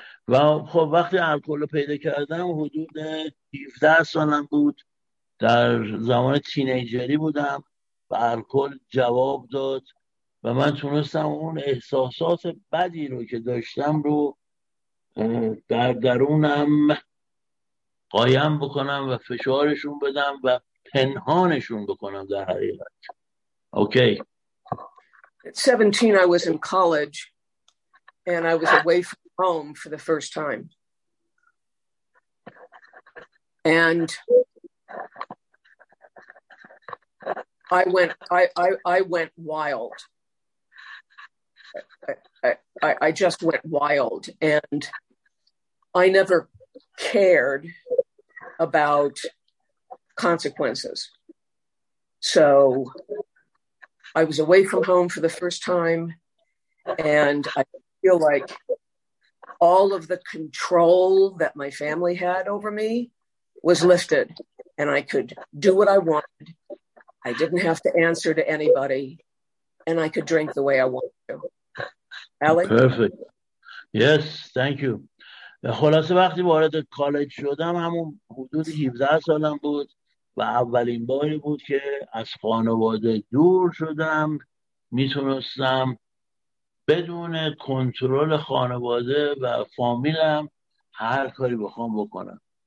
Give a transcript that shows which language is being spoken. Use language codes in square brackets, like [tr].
[fa] Well, خب وقتی الکل رو پیدا کردم حدود 17 سالم بود، در زمان تینیجری بودم و الکل جواب داد و من تونستم اون احساسات بدی رو که داشتم رو در درونم قایم بکنم و فشارشون بدم و پنهانشون بکنم در حقیقت. [en] Okay. At 17 I was in college and I was away from home for the first time. And I went wild. I just went wild and I never cared about consequences. So I was away from home for the first time and I feel like all of the control that my family had over me was lifted and I could do what I wanted. I didn't have to answer to anybody and I could drink the way I wanted to. Alex? Perfect. Yes, thank you. [fa] خلاصه وقتی وارد کالج شدم همون حدود 17 سالم بود و اولین باری بود که از خانواده دور شدم، میتونستم بدون کنترل خانواده و فامیلم هر کاری بخوام بکنم.